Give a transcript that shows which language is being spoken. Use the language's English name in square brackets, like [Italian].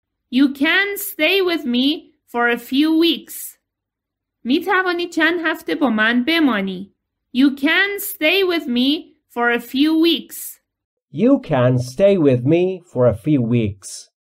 [English] You can stay with me for a few weeks. [Persian] می توانی چند هفته با من بمانی. [English] You can stay with me for a few weeks. You can stay with me for a few weeks.